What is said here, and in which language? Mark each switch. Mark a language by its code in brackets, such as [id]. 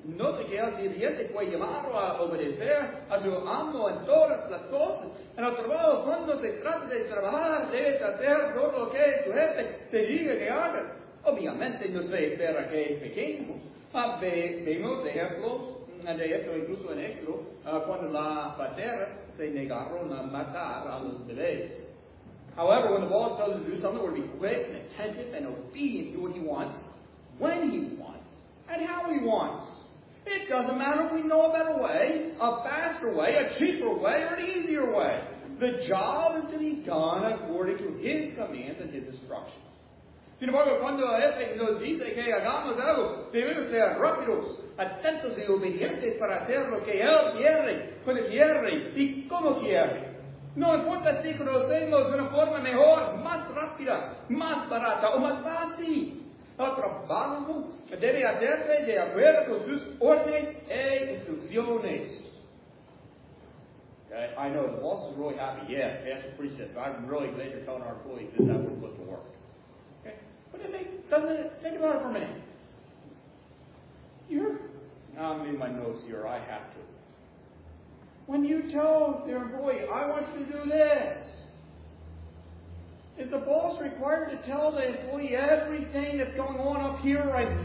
[es] Note que el sirviente fue llamado a obedecer a su amo en todas las cosas. En el trabajo, cuando se trata de trabajar, debes hacer todo lo que tu jefe te diga que hagas. Obviamente, no se espera que pequemos. Vemos ejemplos. De esto, incluso en Éxodo, cuando las pateras se negaron a matar a los bebés. [en] However, when the boss tells us to do something, we're to be quick and attentive and obedient to what he wants, when he wants, and how he wants. It doesn't matter if we know a better way, a faster way, a cheaper way, or an easier way. The job is to be done according to his commands and his instructions. [es] Sin embargo, cuando el jefe nos dice que hagamos algo, debemos ser rápidos, atentos y obedientes para hacer lo que él quiere, cuando quiere y como quiere. No importa si conocemos una forma mejor, más rápida, más barata o más fácil. El trabajo debe hacerse de acuerdo con sus órdenes e instrucciones. [en] I know, the boss is really happy. Yeah, Pastor Priestess, I'm really glad you're telling our employees that that was supposed to work. Okay. But think about it for a minute. I'm in my nose here. I have to. When you tell your employee, I want you to do this, is the boss required to tell the employee everything that's going on up here? Right?